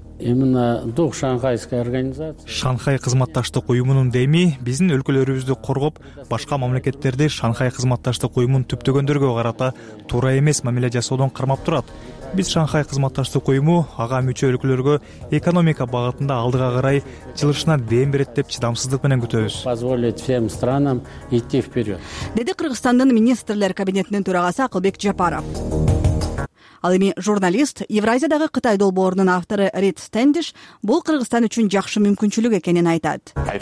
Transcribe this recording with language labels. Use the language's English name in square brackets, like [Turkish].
[Kyrgyz] Шанхай кызматташтык уюмунун дейми биздин өлкөлөрүбүздү коргоп, башка мамлекеттерди Шанхай кызматташтык уюмун түптөгөндөргө карата туура эмес мамиле жасоодон кармап турат. Биз Шанхай кызматташтык уюму ага мүчө өлкөлөргө экономика багытында алдыга карай жылышына дем берет деп чыдамсыздык менен күтөбүз. [Russian] Позволит всем странам идти вперед. [Kyrgyz] Деди Кыргызстандын министрлер кабинетинин төрагасы Акылбек Жапаров. Ал эми журналист, Евразиядагы Кытай долбоорунун автору Рид Стендиш бул Кыргызстан үчүн жакшы мүмкүнчүлүк экенин айтат.